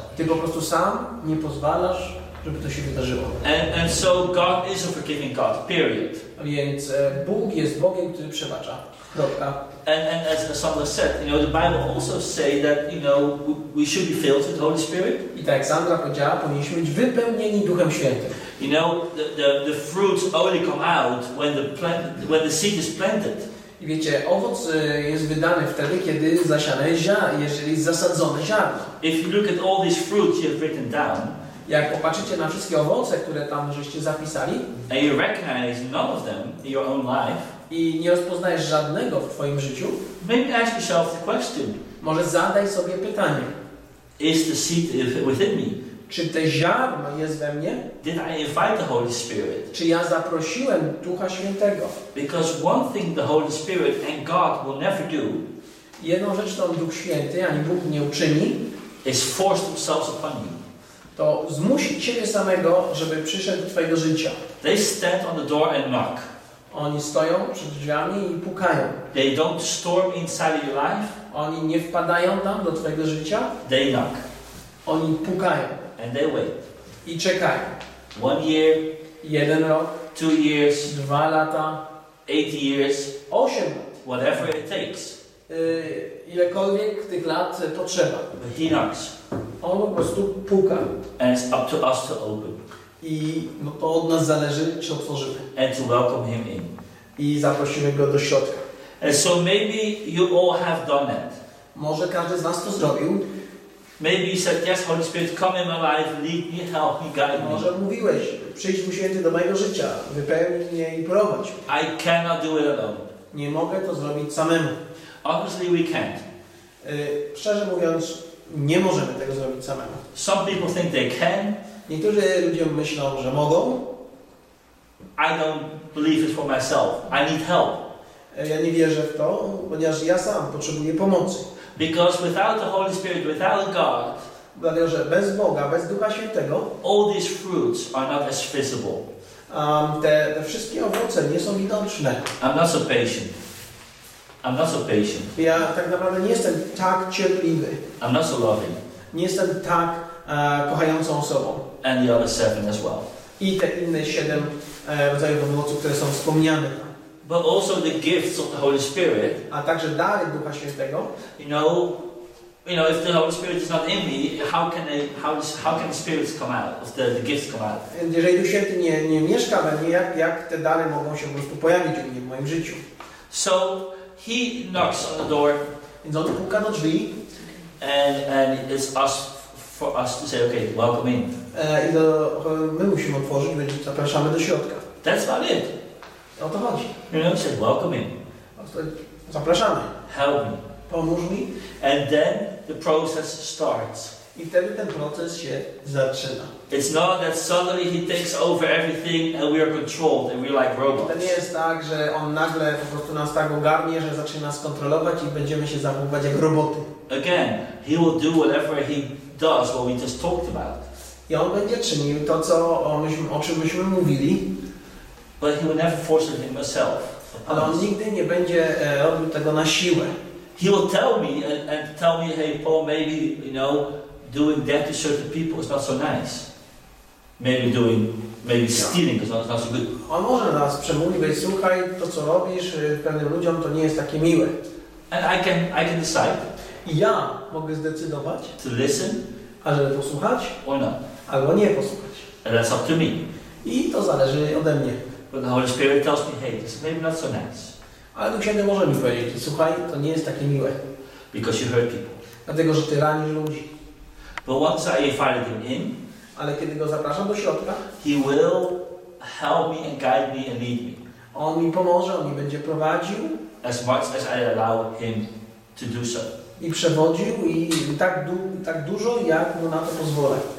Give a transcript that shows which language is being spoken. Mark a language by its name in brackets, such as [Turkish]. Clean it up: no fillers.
[Polish] Ty po prostu sam nie pozwalasz, żeby to się wydarzyło. [English] And so God is a forgiving God. Period. [Polish] Więc Bóg jest Bogiem, który przebacza. Kropka. [English] And as Sandra said, you know, the Bible also say that, you know, we should be filled with the Holy Spirit. [Polish] I tak Sandra powiedziała, powinniśmy być wypełnieni Duchem Świętym. [English] You know, the fruits only come out when the seed is planted. [Polish] I wiecie, owoc jest wydany wtedy, kiedy zasiane jest ziarno, jeżeli jest zasadzone ziarno. [English] If you look at all these fruits you have written down, [Polish] jak popatrzycie na wszystkie owoce, które tam żeście zapisali, [English] and you recognize none of them in your own life, [Polish] i nie rozpoznajesz żadnego w twoim życiu, [English] maybe ask yourself the question. [Polish] Może zadaj sobie pytanie. [English] Is the seed within me? [Polish] Czy te ziarno jest we mnie? [English] Did I invite the Holy Spirit? [Polish] Czy ja zaprosiłem Ducha Świętego? [English] Because one thing the Holy Spirit and God will never do. [Polish] Jedną rzecz to Duch Święty ani Bóg nie uczyni. [English] Is force themselves upon you. [Polish] To zmusić ciebie samego, żeby przyszedł do twojego życia. [English] They stand on the door and knock. [Polish] Oni stoją przed drzwiami i pukają. [English] They don't storm inside your life. [Polish] Oni nie wpadają tam do twojego życia. [English] They knock. [Polish] Oni pukają. [English] And they wait. [Polish] I czekają. [English] One year. [Polish] Jeden rok. [English] Two years. [Polish] Dwa lata. [English] Eight years. [Polish] Osiem lat. [English] Whatever it takes. [Polish] Ilekolwiek tych lat potrzeba. [English] But he knocks. [Polish] On po prostu puka. [English] And it's up to us to open. [Polish] I to od nas zależy, czy otworzymy. [English] And to welcome him in. [Polish] I zaprosimy go do środka. [English] And so maybe you all have done it. [Polish] Może każdy z nas to zrobił. [English] Maybe you said, yes, Holy Spirit, come in my life, lead me, help me, guide me. [Polish] Może mówiłeś, przyjdź mu święty do mojego życia, wypełnij mnie i prowadź. [English] I cannot do it alone. [Polish] Nie mogę to zrobić samemu. [English] Obviously we can't. [Polish] Szczerze mówiąc, nie możemy tego zrobić samemu. [English] Some people think they can. [Polish] Niektórzy ludzie myślą, że mogą. [English] I don't believe it for myself. I need help. [Polish] Ja nie wierzę w to, ponieważ ja sam potrzebuję pomocy. [English] Because without the Holy Spirit, without God, [Polish] dlatego, że bez Boga, bez Ducha Świętego, [English] all these fruits are not as visible. [Polish] Te wszystkie owoce nie są widoczne. [English] I'm not so patient. I'm not so patient. [Polish] Ja tak naprawdę nie jestem tak cierpliwy. [English] I'm not so loving. [Polish] Nie jestem tak kochającą osobą. [English] And the other seven as well. [Polish] I te inne siedem rodzajów owoców, które są wspomniane. [English] But also the gifts of the Holy Spirit. [Polish] A także dary Ducha Świętego. [English] You know, if the Holy Spirit is not in me, how can the spirits come out? If the gifts come out? [Polish] Jeżeli Duch Święty nie mieszka we mnie, jak te dary mogą się po prostu pojawić u mnie w moim życiu? [English] So he knocks on the door. [Polish] Więc on puka do drzwi. [English] And it's us for us to say, okay, welcome in. [Polish] I to my musimy otworzyć, więc zapraszamy do środka. [English] That's about it. [Polish] O to chodzi. [English] You know, he said, welcome in. [Polish] Zapraszamy. [English] Help me. [Polish] Pomóż mi. [English] And then the process starts. [Polish] I wtedy ten proces się zaczyna. [English] It's not that suddenly he takes over everything and we are controlled and we're like robots. [Polish] To nie jest tak, że on nagle po prostu nas tak ogarnie, że zaczyna nas kontrolować i będziemy się zachowywać jak roboty. [English] Again, he will do whatever he does, what we just talked about. [Polish] I on będzie czynił to, o czym myśmy mówili. [English] But he will never force it himself. [Polish] Ale on nigdy nie będzie robił tego na siłę. [English] He will tell me and tell me, hey Paul, maybe you know, doing that to certain people is not so nice. Maybe stealing is not so good. [Polish] On może nas przemówić, słuchaj, to co robisz pewnym ludziom, to nie jest takie miłe. [English] And I can decide. [Polish] I ja mogę zdecydować. [English] To listen. [Polish] Ażeby posłuchać. [English] Or not. [Polish] Albo nie posłuchać. [English] And that's up to me. [Polish] I to zależy ode mnie. [English] But the Holy Spirit tells me, hey, this is maybe not so nice. [Polish] Ale Duch Święty może mi powiedzieć, słuchaj, to nie jest takie miłe. [English] Because you hurt people. [Polish] Dlatego, że ty ranisz ludzi. [English] But once I invited him in, [Polish] ale kiedy go zapraszam do środka, [English] he will help me and guide me and lead me. [Polish] On mi pomoże, on mi będzie prowadził. [English] As much as I allow him to do so. [Polish] I przewodził i tak dużo, jak mu na to pozwolę.